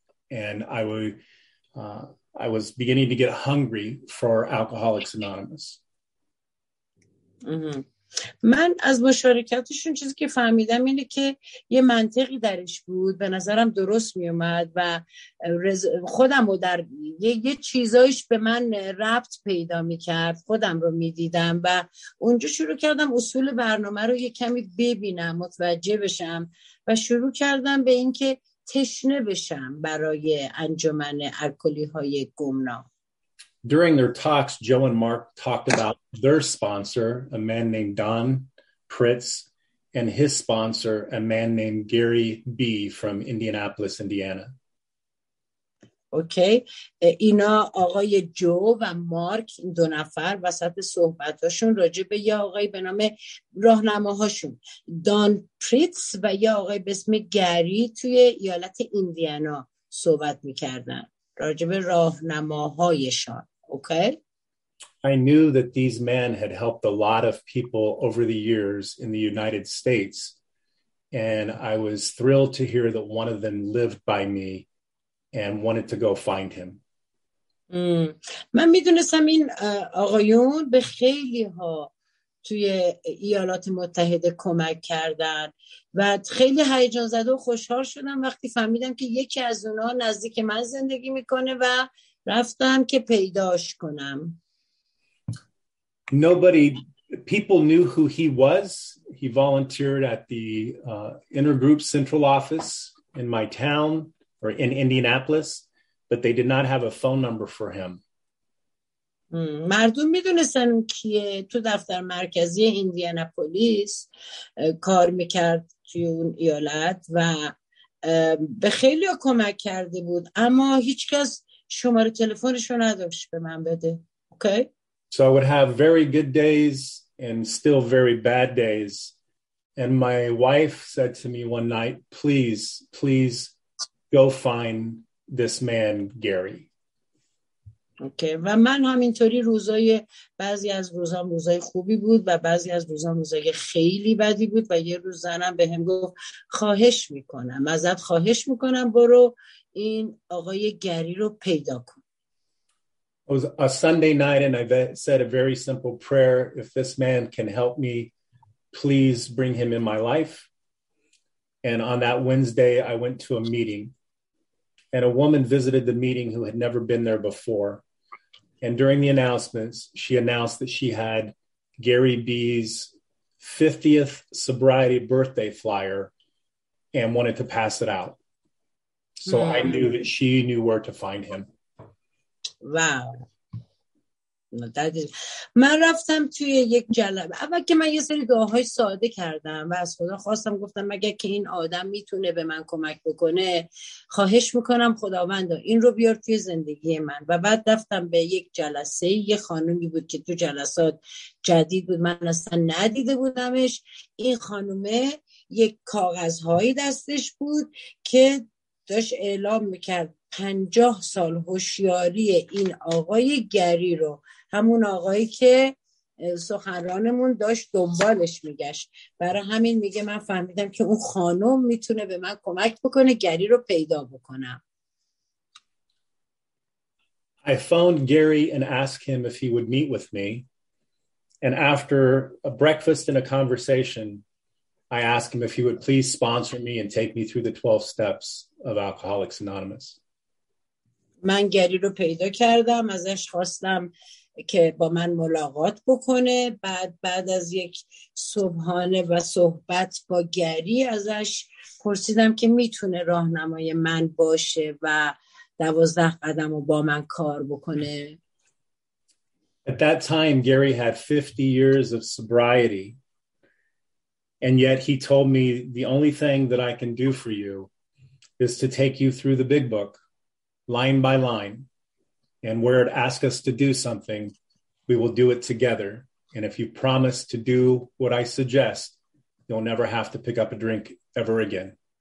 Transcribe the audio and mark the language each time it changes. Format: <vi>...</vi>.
<en>And I was beginning to get hungry for Alcoholics Anonymous.</en> <fa>من از مشارکتشون چیزی که فهمیدم اینه که یه منطقی درش بود، به نظرم درست می اومد و خودم رو در یه چیزایش به من ربط پیدا می کرد، خودم رو می دیدم و اونجا شروع کردم اصول برنامه رو یه کمی ببینم، متوجه بشم و شروع کردم به این که تشنه بشم برای انجمن الکلی های گمنام.</fa> <en>During their talks, Joe and Mark talked about their sponsor, a man named Don Pritz, and his sponsor, a man named Gary B. from Indianapolis, Indiana.</en> <fa>اوکی اینا آقای جو و مارک این دو نفر وسط صحبتاشون راجع به یه آقای به نام راهنماهاشون دان پریتس و یه آقای به اسم گری توی ایالت ایندیانا صحبت می‌کردن راجع به راهنماهایشان اوکی</fa> <en>I knew that these men had helped a lot of people over the years in the United States and I was thrilled to hear that one of them lived by me and wanted to go find him.</en> <fa>من میدونستم این آقایون به خیلی ها توی ایالات متحده کمک کردن و خیلی هیجان زده و خوشحال شدم وقتی فهمیدم که یکی از اونها نزدیک من زندگی میکنه و رفتم که پیداش کنم.</fa> <en>Nobody people knew who he was. He volunteered at the intergroup central office in my town. Or in Indianapolis, but they did not have a phone number for him.</en> <fa>مردم میدونستن که تو دفتر مرکزی ایندیاناپولیس کار میکرد توی اون ایالت و به خیلی کمک کرده بود اما هیچکس شماره تلفنشو نداشت به من بده.</fa> <en>Okay? So I would have very good days and still very bad days. And my wife said to me one night, please, please, go find this man Gary.</en> <fa>Okay, و من همینطوری روزای بعضی از روزام روزای خوبی بود و بعضی از روزام روزای خیلی بدی بود و یه روز زنم بهم گفت خواهش می‌کنم ازت خواهش می‌کنم برو این آقای گری رو پیدا کن.</fa> <en>It was a Sunday night and I said a very simple prayer, if this man can help me, please bring him in my life. And on that Wednesday, I went to a meeting and a woman visited the meeting who had never been there before. And during the announcements, she announced that she had Gary B's 50th sobriety birthday flyer and wanted to pass it out. So I knew that she knew where to find him. Wow.</en> <fa>من رفتم توی یک جلسه اول که من یه سری دعاهای ساده کردم و از خدا خواستم گفتم مگه که این آدم میتونه به من کمک بکنه خواهش میکنم خداوند این رو بیار توی زندگی من و بعد رفتم به یک جلسه یه خانومی بود که تو جلسات جدید بود من اصلا ندیده بودمش این خانومه یک کاغذهایی دستش بود که داشت اعلام میکرد 50 سال هوشیاری این آقای گری رو همون آقایی که سخنرانمون داشت دنبالش میگشت برای همین میگه من فهمیدم که اون خانم میتونه به من کمک بکنه گری رو پیدا بکنم.</fa> <en>I phoned Gary and asked him if he would meet with me and after a breakfast and a conversation I asked him if he would please sponsor me and take me through the 12 steps of Alcoholics Anonymous.</en> <fa>من گری رو پیدا کردم ازش خواستم که با من ملاقات بکنه بعد از یک صبحانه و صحبت با گری ازش پرسیدم که میتونه راهنمای من باشه و 12 قدم رو با من کار بکنه.</fa> <en>At that time Gary had 50 years of sobriety and yet he told me the only thing that I can do for you is to take you through the big book line by line and where it asks us to do something we will do it together and if you promise to do what I suggest you'll never have to pick up a drink ever again.</en>